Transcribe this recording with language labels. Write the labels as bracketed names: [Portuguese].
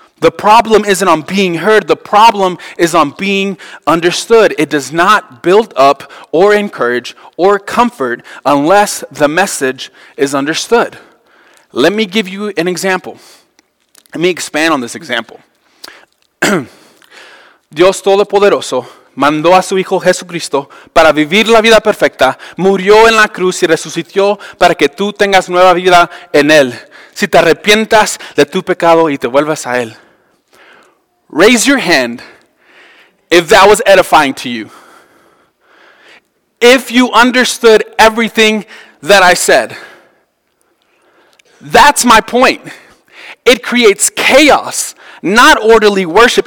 [English] The problem isn't on being heard. The problem is on being understood. It does not build up or encourage or comfort unless the message is understood. Let me give you an example. Let me expand on this example. [Spanish] Dios Todopoderoso mandó a su Hijo Jesucristo para vivir la vida perfecta, murió en la cruz y resucitó para que tú tengas nueva vida en él. Si te arrepientas de tu pecado y te vuelvas a él. [English] Raise your hand if that was edifying to you. If you understood everything that I said. That's my point. It creates chaos, not orderly worship.